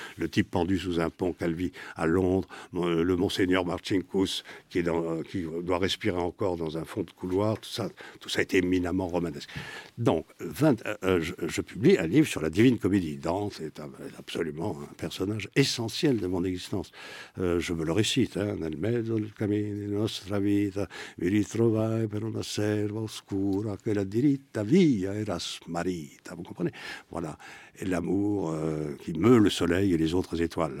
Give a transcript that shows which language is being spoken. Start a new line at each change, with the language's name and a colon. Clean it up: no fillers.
French: Le type pendu sous un pont, Calvi, à Londres, le Monseigneur Marcinkus, qui doit respirer encore dans un fond de couloir, tout ça a été éminemment romanesque. Donc, je publie un livre sur la divine comédie. Dante est absolument un personnage essentiel de mon existence. Je me le récite.
Italian: « Nel mezzo del cammino della nostra vita mi ritrovai per una selva oscura che la diritta via era smarrita. »
French: Vous comprenez? Voilà. Et l'amour qui meut le soleil et les autres étoiles.